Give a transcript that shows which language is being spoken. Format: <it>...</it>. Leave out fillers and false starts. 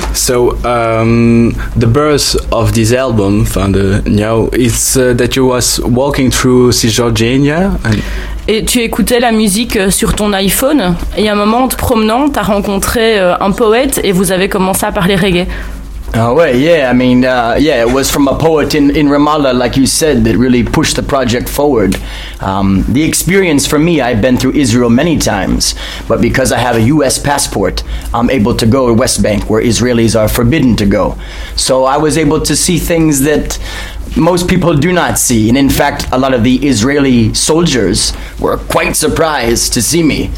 <en>So the birth of this album, it's that you was walking through Cisjordania.</en> <fr>Et tu écoutais la musique sur ton iPhone. Et à un moment, en te promenant, t'as rencontré un poète et vous avez commencé à parler reggae.</fr> <en>Oh ouais, yeah. I mean, yeah. It was from a poet in Ramallah, like you said, that really pushed the project forward. The experience for me, I've been through Israel many times, but because I have a U.S. passport, I'm able to go to West Bank, where Israelis are forbidden to go. So I was able to see things that most people do not see, and in fact, a lot of the Israeli soldiers were quite surprised to see me.</en>